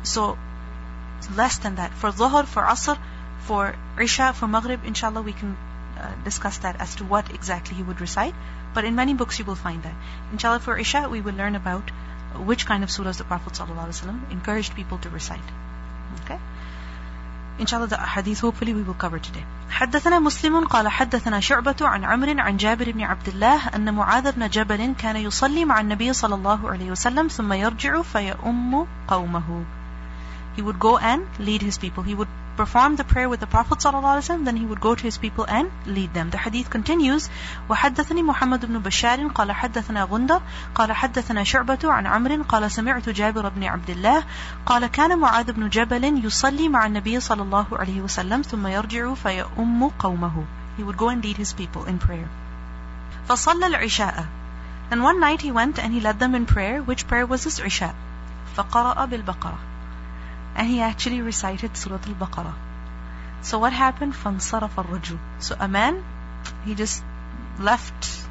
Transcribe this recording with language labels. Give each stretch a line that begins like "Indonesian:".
English: So, less than that. For Dhuhr, for Asr, for Isha, for Maghrib, inshallah, we can discuss that as to what exactly he would recite. But in many books, you will find that. Inshallah, for Isha, we will learn about which kind of surahs the Prophet ﷺ encouraged people to recite. Okay? Inshallah, the hadith hopefully we will cover today.
Arabic: حدثنا مسلم قال حدثنا شعبة عن عمر عن جابر بن عبد الله أن معاذ بن جبل كان يصلي مع النبي صلى الله عليه وسلم ثم يرجع فيأم قومه.
English: He would go and lead his people. He would perform the prayer with the Prophet صلى الله عليه وسلم, then he would go to his people and lead them. The hadith continues.
Arabic: وحدثني محمد بن بشار قال حدثنا غندر قال حدثنا شعبة عن عمر قال سمعت جابر بن عبد الله قال كان معاذ بن جبل يصلي مع النبي صلى الله عليه وسلم ثم يرجع فيأم قومه.
English: He would go and lead his people in prayer.
Arabic: فصلى العشاء.
English: And one night he went and he led them in prayer. Which prayer was this?
Arabic: عشاء. فقرأ بالبقرة.
English: And he actually recited Surah Al-Baqarah. So what happened?
Arabic: فَانْصَرَفَ الرَّجُّ.
English: So a man, he just left.